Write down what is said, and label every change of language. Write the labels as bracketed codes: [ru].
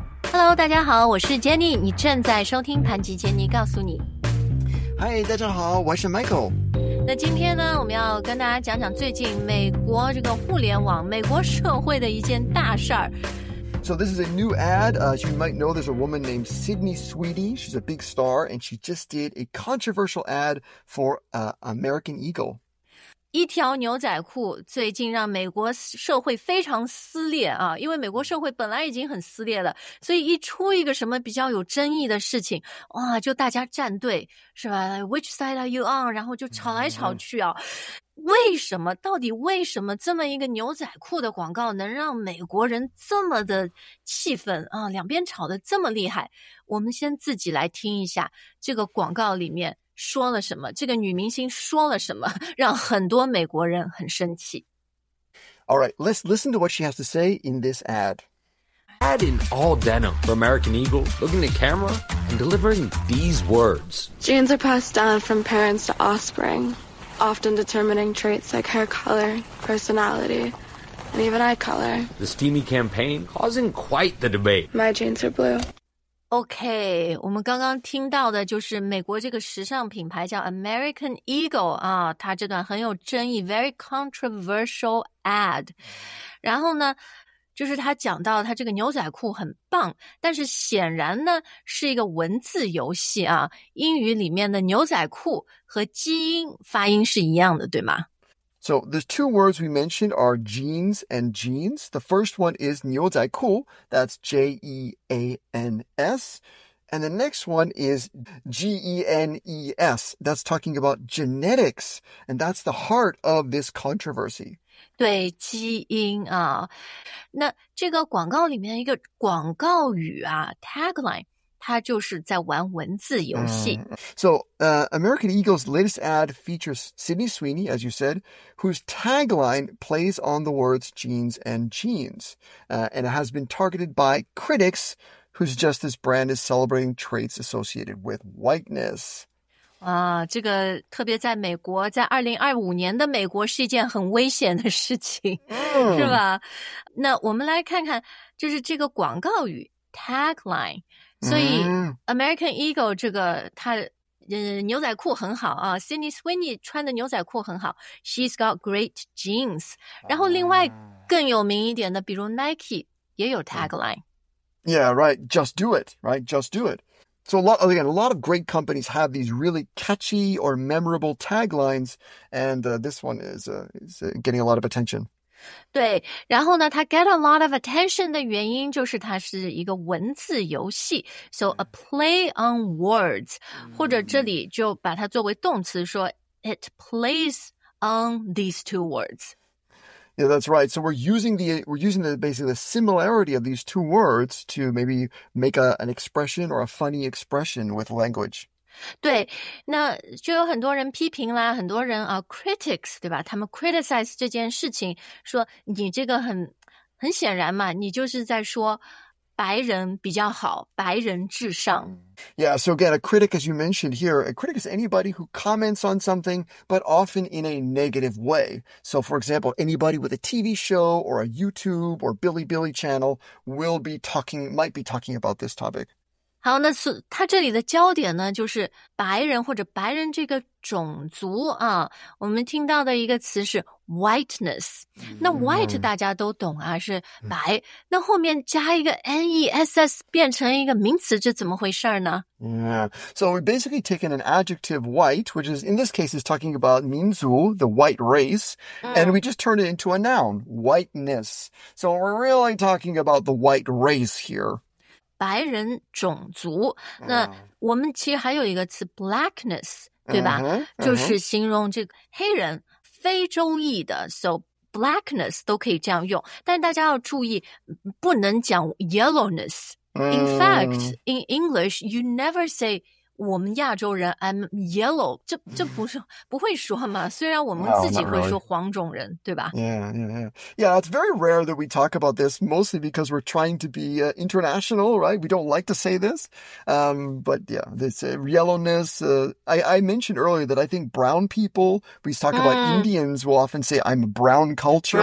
[zh] Hello， 大家好，我是 Jenny， 你正在收听盘吉 Jenny 告诉你。嗨，大家好，我是 Michael。那今天呢，我们要跟大家讲讲最近美国这个互联网、美国社会的一件大事儿。 [en] So this is a new ad. As you might know, there's a woman named Sydney Sweeney. She's a big star, and she just did a controversial ad for American Eagle. [zh] 一条牛仔裤最近让美国社会非常撕裂啊，因为美国社会本来已经很撕裂了，所以一出一个什么比较有争议的事情，哇，就大家站队是吧 ？ [en] Which side are you on？ [zh] 然后就吵来吵去啊。为什么？到底为什么这么一个牛仔裤的广告能让美国人这么的气愤啊？两边吵得这么厉害，我们先自己来听一下这个广告里面说了什么，这个女明星说了什么，让很多美国人很生气。 [en] All right, let's listen to what she has to say in this ad. Ad in all denim for American Eagle, looking at camera and delivering these words. Jeans are passed down from parents to offspring. Often determining traits like hair color, personality, and even eye color. The steamy campaign causing quite the debate. My jeans are blue. [zh] Okay, 我们刚刚听到的就是美国这个时尚品牌叫 American Eagle 啊，它这段很有争议 ， [en] very controversial ad. [zh] 然后呢？就是他讲到他这个牛仔裤很棒，但是显然呢是一个文字游戏啊。英语里面的牛仔裤和基因发音是一样的，对吗 [en] ？So the two words we mentioned are jeans and genes. The first one is 牛仔裤 ，that's J-E-A-N-S， and the next one is G-E-N-E-S. That's talking about genetics, and that's the heart of this controversy. [zh] 对基因啊，那这个广告里面一个广告语啊 ，tagline， 它就是在玩文字游戏。 [en] American Eagle's latest ad features Sydney Sweeney, as you said, whose tagline plays on the words jeans and genes, and it has been targeted by critics who suggest this brand is celebrating traits associated with whiteness. [zh] 啊，这个特别在美国，在2025年的美国是一件很危险的事情，是吧？那我们来看看，就是这个广告语 tagline。所以 American Eagle 这个它牛仔裤很好啊 ，Sydney Sweeney 穿的牛仔裤很好 ， [en] She's got great jeans。 [zh] 然后另外更有名一点的，比如 Nike 也有 tagline。 [en] Yeah, right. Just do it. Right. Just do it. So a lot of great companies have these really catchy or memorable taglines, and this one is getting a lot of attention. [zh] 对，然后呢，它 [en] get a lot of attention [zh] 的原因就是它是一个文字游戏 ， [en] so a play on words， [zh] 或者这里就把它作为动词说 ， [en] it plays on these two words. Yeah, that's right. So we're using the basically the similarity of these two words to maybe make an expression or a funny expression with language. [zh] 对，那就有很多人批评啦，很多人啊 critics 对吧？他们 criticize 这件事情，说你这个很显然嘛，你就是在说白人比较好，白人至上。 [en] Yeah, so again, a critic, as you mentioned here, a critic is anybody who comments on something, but often in a negative way. So, for example, anybody with a TV show or a YouTube or Bilibili channel might be talking about this topic. [zh] 好，那是他这里的焦点呢，就是白人或者白人这个种族啊。我们听到的一个词是 whiteness。那 white 大家都懂啊，是白。那后面加一个 ness 变成一个名词，这怎么回事呢 [en] ？Yeah，so we basically taken an adjective white, which is in this case is talking about 民族 the white race, and we just turn it into a noun whiteness. So we're really talking about the white race here. [zh] 白人种族，那我们其实还有一个词 blackness， 对吧？ Uh-huh. 就是形容这个黑人、非洲裔的 ，so blackness 都可以这样用。但大家要注意，不能讲 yellowness。 [en] In fact, in English, you never say [zh] 我们亚洲人 [en] I'm yellow， [zh] 这不是不会说嘛？虽然我们自己会说黄种人，对吧 [en] ？Yeah. It's very rare that we talk about this, mostly because we're trying to be international, right? We don't like to say this, but yeah, this yellowness. I mentioned earlier that I think brown people. We talk about Indians. Will often say I'm brown culture.